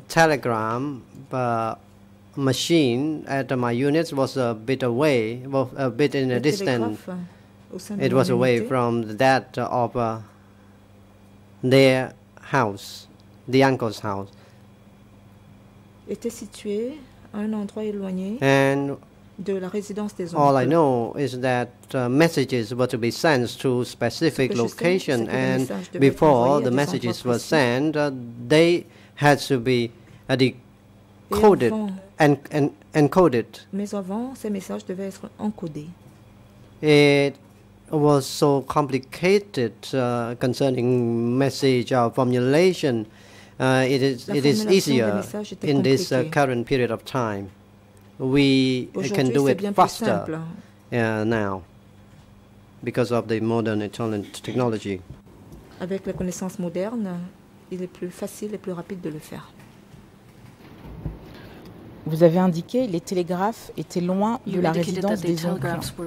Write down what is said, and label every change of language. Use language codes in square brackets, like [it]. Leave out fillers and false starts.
[en] Telegram machine at my units was a bit away, was a bit in a distance. It was away from that of their house, the uncle's house. [fr] Était situé à un endroit éloigné de la résidence des oncles. [en] All I know is that messages were to be sent to specific location, and before the messages were sent, they had to be decoded. Encoded. [fr] Mais avant, ces messages devaient être encodés. [en] It was so complicated concerning message formulation. It is easier in this current period of time. We can do it faster now because of the modern internet technology. [fr] Avec les connaissances modernes, il est plus facile et plus rapide de le faire. Vous avez indiqué les télégraphes étaient loin de la résidence des oncles.